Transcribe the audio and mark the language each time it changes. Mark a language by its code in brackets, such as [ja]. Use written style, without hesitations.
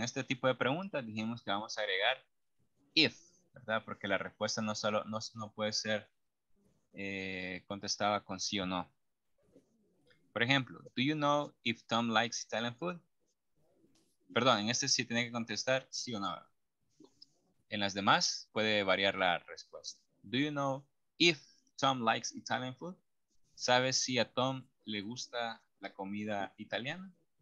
[es] Este tipo de pregunta dijimos que vamos a agregar if, ¿verdad? Porque la respuesta no puede ser contestada con sí o no. Por ejemplo, [en] do you know if Tom likes Italian food? [es] Perdón, en este sí tiene que contestar sí o no. En las demás puede variar la respuesta. [en] Do you know if Tom likes Italian food? [es] ¿Sabes si a Tom le gusta la comida italiana?